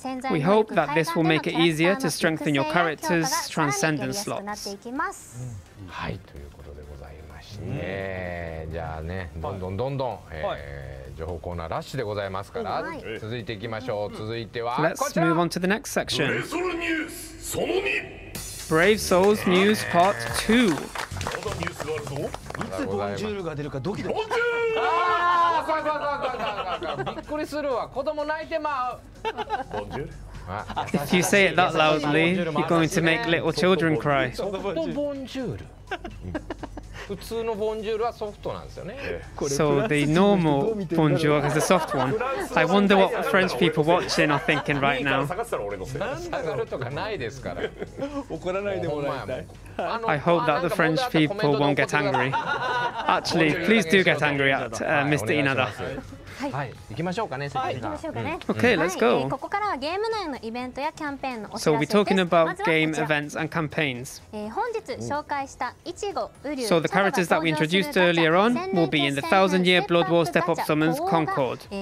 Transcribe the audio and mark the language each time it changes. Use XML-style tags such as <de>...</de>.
<en>We hope that this will make it easier to strengthen your character's transcendence slots.</en> <ja>はい、ということでございましてね。じゃあね、どんどんどんどん。情報コーナーラッシュでございますから、続いていきましょう。続いてはこちら。</ja> <en>Let's move on to the next section.</en> <ja>ブレソルニュースその</ja> <en>2。 Brave Souls News Part 2。</en> <ja>どんなニュースがあるぞ。いつボンジュールが出るかドキドキ。ボンジュール。ああ、怖い。びっくりするわ。子供泣いてまう。ボンジュール。</ja> <en>If you say it that loudly, you're going to make little children cry.</en> <ja>ボンジュール。普通のボンジュールはソフトなんですよね。</ja> <en>So the normal bonjour is a soft one. I wonder what French people watching are thinking right now.</en> <ja>下がるとかないですから。怒らないでもらいたい。</ja> <en>I hope that the French people won't get angry. Actually, please do get angry at Mr. Inada.</en> <ja>はい、行きましょうかね。行きましょうかね。</ja> <en>Okay, let's go.</en> <ja>ここからはゲーム内のイベントやキャンペーンのお知らせです。</ja> <en>So we're talking about game events and campaigns.</en> <ja>本日紹介したイチゴ、ウリュー、</ja> <en>So the characters that we introduced earlier on will be in the Thousand Year Blood War Step Up Summons Concord.</en>